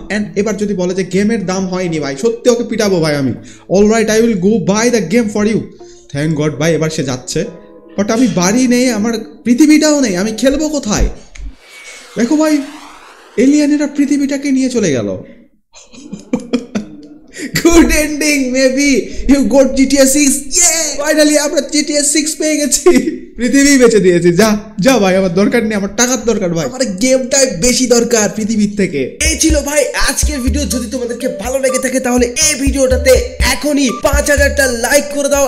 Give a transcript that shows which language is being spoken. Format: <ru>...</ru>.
<bn>And এবার যদি বলে যে গেমের দাম হয়নি ভাই, সত্যি ওকে পিটাবো ভাই আমি।</bn> <en>All right, I will go by the game for you.</en> <bn>Thank god ভাই, এবার সে যাচ্ছে। বাট আমি বাড়ি নেই, আমার পৃথিবীটাও নেই, আমি খেলবো কোথায়? দেখো ভাই, এলিয়েনেরা পৃথিবীটাকে নিয়ে চলে গেল।</bn> <en>Good ending, maybe you got GTA 6. Yeah, finally</en> <bn>আমরা GTA 6 পেয়ে গেছি, পৃথিবী বেচে দিয়েছি। যা যা ভাই, আমার দরকার নেই, আমার টাকার দরকার ভাই, আমার গেমটাই বেশি দরকার পৃথিবীর থেকে। এই ছিল ভাই আজকের ভিডিও, যদি তোমাদেরকে ভালো লেগে থাকে তাহলে এই ভিডিওটাতে এখনই 5,000 লাইক করে দাও।</bn>